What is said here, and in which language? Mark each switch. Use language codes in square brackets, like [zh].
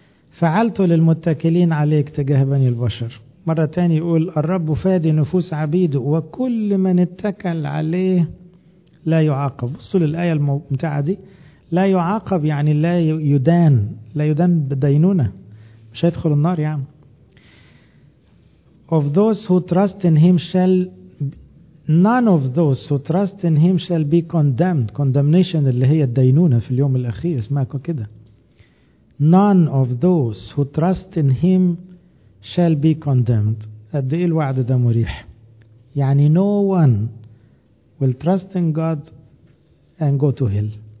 [ar] فعلت للمتكلين عليك تجاه بني البشر. مرة تاني يقول الرب فادي نفوس عبيده وكل من اتكل عليه لا يعاقب. بصوا للآية الممتعة دي، لا يعاقب يعني لا يدان، لا يدان بدينونة، مش هيدخل النار يعني. [en] Of those who trust in him shall None of those who trust in him shall be condemned. Condemnation [ar] اللي هي الدينونة في اليوم الأخير اسمها كده. [en] None of those who trust in him shall be condemned. [ar] قد إيه الوعد ده مريح. يعني [en] no one will trust in God and go to hell.